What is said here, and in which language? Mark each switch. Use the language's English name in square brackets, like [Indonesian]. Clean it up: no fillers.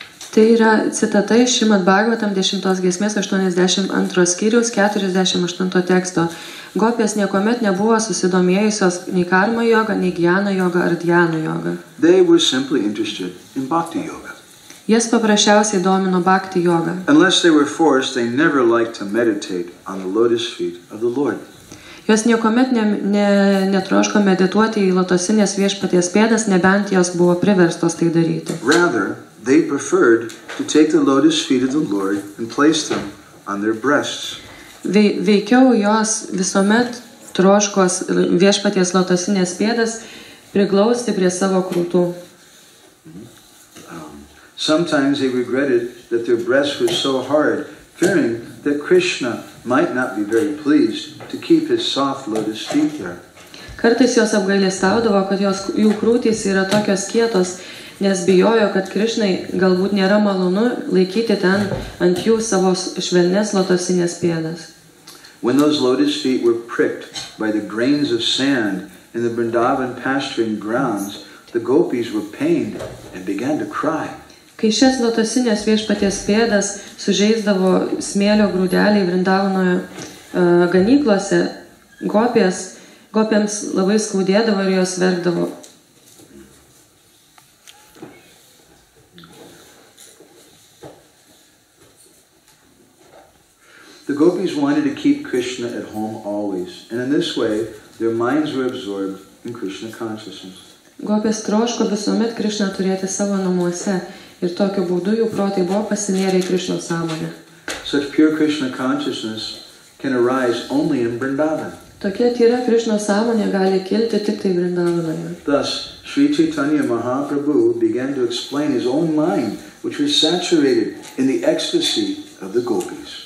[Lithuanian] Tai yra citata iš Šrimad Bhagavatam 10. giesmės 82. skyriaus 48. teksto. Gopės niekuomet nebuvo susidomėjusios nei karma yoga, nei jnana yoga ar dhyana yoga. [English] They were simply interested in bhakti yoga. [Lithuanian] Jas paprasčiausiai domino bhakti yoga. [English] Unless they were forced, they never liked to meditate on the lotus feet of the Lord. [Lithuanian] Jos niekuomet netroško medituoti į lotosinės viešpaties pėdas, nebent jos buvo priverstos tai daryti. [English] Rather, they preferred to take the lotus feet of the Lord and place them on their breasts. [Lithuanian] Veikiau jos visuomet troškos viešpaties lotosinės pėdas priglausti prie savo krūtų. [English] Sometimes they regretted that their breast was so hard, fearing that Krishna might not be very pleased to keep his soft lotus feet there. [Lithuanian] Kartais jos apgailestaudavo, kad jų krūtys yra tokios kietos, nes bijojo, kad Krišnai galbūt nėra malonu laikyti ten ant jų savo švelnes lotosinės pėdas. [English] When those lotus feet were pricked by the grains of sand in the Vrindavan pasturing grounds, the gopis were pained and began to cry. [Lithuanian] Kai šias lotosinės viešpaties pėdas sužeisdavo smėlio grūdeliai Vrindavanoje ganyklose, gopiams labai skaudėdavo ir jos verkdavo. [English] The gopis wanted to keep Krishna at home always, and in this way, their minds were absorbed in Krishna consciousness. [Lithuanian] Gopis troško visuomet Krishna turėti savo namuose, ir tokiu būdu jų protai buvo pasinėrę į Krishna sąmonę. [English] Such pure Krishna consciousness can arise only in Vrindavan. [Lithuanian] Tokia tyra Krishna sąmonė gali kilti tik tai Vrindavanoje. [English] Thus, Sri Chaitanya Mahaprabhu began to explain his own mind, which was saturated in the ecstasy of the gopis.